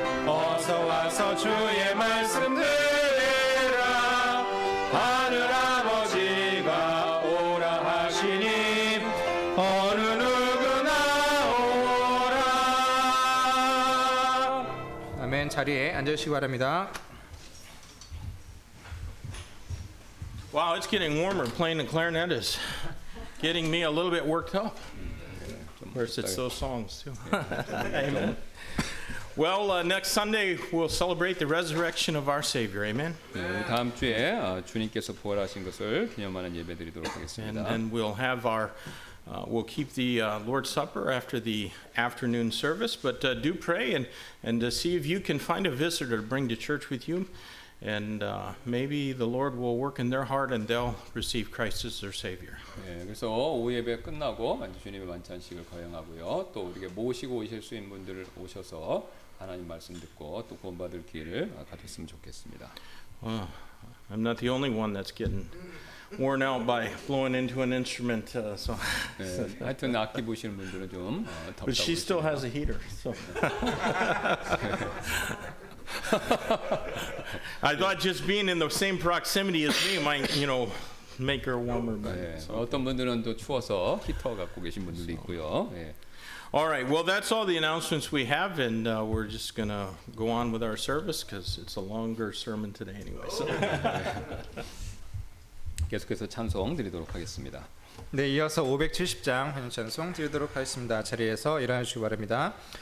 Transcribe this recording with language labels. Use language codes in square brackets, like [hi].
[ko] 어서 와서 주의 말씀 들으라. 하늘 아버지가 오라 하시니 어느 누구나 오라. 아멘. 자리에 앉으시기 바랍니다. [en] Wow, it's getting warmer playing the clarinet is getting me a little bit worked up. Of course, it's those songs too. Amen. Well, next Sunday we'll celebrate the resurrection of our Savior. Amen. [ko] 다음 주에 주님께서 부활하신 것을 기념하는 예배드리도록 하겠습니다. [en] And then we'll have our we'll keep the Lord's Supper after the afternoon service, but do pray and to see if you can find a visitor to bring to church with you. And maybe the Lord will work in their heart and they'll receive Christ as their Savior. [ko] 그래서 오후 예배 끝나고 주님의 만찬식을 거행하고요. 또 우리에게 모시고 오실 수 있는 분들을 오셔서 하나님 말씀 듣고 또 구원받을 기회를 가졌으면 좋겠습니다. [en] I'm not the only one that's getting worn out by blowing into an instrument. So [ko] 하여튼 악기 부시는 분들은 좀 덥다고. [en] But she still has a heater. So. I thought just being in the same proximity as me might, you know, make her warmer. But 네, so. [ko] 어떤 분들은 또 추워서 히터 갖고 계신 분들도 있고요. 네. [en] All right. Well, that's all the announcements we have, and we're just going to go on with our service because it's a longer sermon today anyway. So. [ko] 계속해서 찬송 드리도록 하겠습니다. 네, 이어서 570장 찬송 드리도록 하겠습니다. 자리에서 일어나주시기 바랍니다.